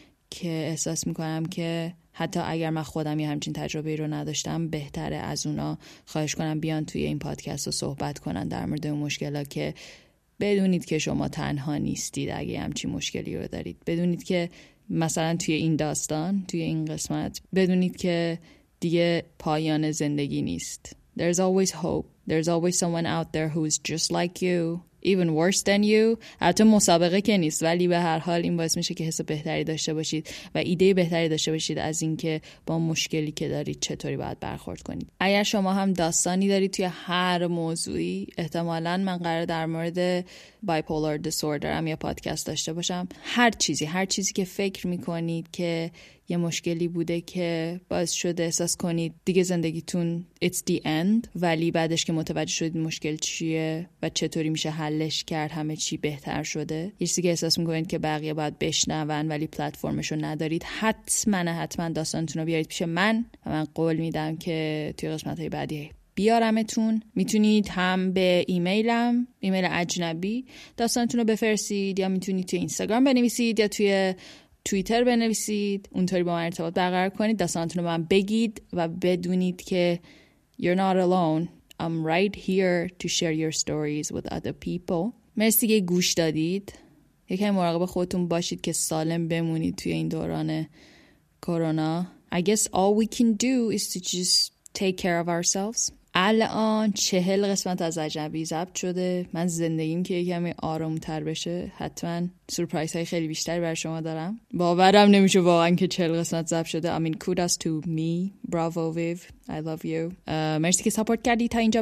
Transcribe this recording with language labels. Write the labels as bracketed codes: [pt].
[fa] که احساس میکنم که حتی اگر من خودم یه همچین تجربه رو نداشتم بهتره از اونا خواهش کنم بیان توی این پادکست رو صحبت کنن در مورد اون مشکلا، که بدونید که شما تنها نیستید اگه همچین مشکلی رو دارید، بدونید که مثلا توی این داستان توی این قسمت بدونید که دیگه پایان زندگی نیست. [en] There's always hope. There's always someone out there who's just like you. Even worse than you. [fa] حتی مسابقه که نیست، ولی به هر حال این باعث میشه که حس بهتری داشته باشید و ایده بهتری داشته باشید از اینکه با مشکلی که دارید چطوری باید برخورد کنید. اگر شما هم داستانی دارید توی هر موضوعی، احتمالاً من قراره در مورد بایپولار دیسوردر هم یه پادکست داشته باشم، هر چیزی که فکر میکنید که یه مشکلی بوده که باعث شده احساس کنید دیگه زندگیتون [en] it's the end، [fa] ولی بعدش که متوجه شدید مشکل چیه و چطوری میشه حلش کرد همه چی بهتر شده، یه چیزی که احساس میکنید که بقیه باید بشنون ولی پلتفرمشو ندارید، حتما داستانتون رو بیارید پیش من و من قول میدم که توی قسمت های بعدی بیارمتون. میتونید هم به ایمیلم، ایمیل اجنبی، داستانتون رو بفرستید، یا میتونید توی اینستاگرام بنویسید یا توی توییتر بنویسید، اونطوری با من ارتباط برقرار کنید، داستانتون رو من بگید و بدونید که [en] You're not alone. I'm right here to share your stories with other people. [fa] مرسی که گوش دادید. یکم مراقب خودتون باشید که سالم بمونید توی این دوران کرونا. [en] I guess all we can do is to just take care of ourselves. [fa] الان 40 قسمت از عجبی ضبط شده. من زندگیم که یکم آرومتر بشه حتما سورپرایز های خیلی بیشتری بر شما دارم. باورم نمیشه واقعا که 40 قسمت ضبط شده. [en] I mean kudos to me. Bravo Viv. I love you. [fa] مرسی که سپورت کردی تا اینجا.